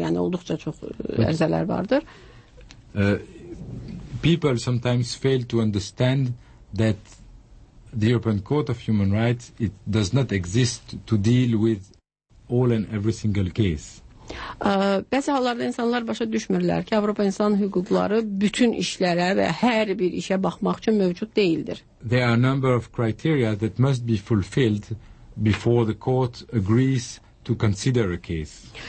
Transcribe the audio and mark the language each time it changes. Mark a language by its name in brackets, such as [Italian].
[Azerbaijani] Yəni olduqca çox ərizələr vardır. [English] People sometimes fail to understand that the European Court of Human Rights, it does not exist to deal with all and every single case. [Azerbaijani] Bəzi hallarda insanlar başa düşmürlər ki, Avropa İnsan Hüquqları bütün işlərə və hər bir işə baxmaq üçün mövcud deyildir. [English] There are a number of criteria that must be fulfilled before the court agrees to consider a case.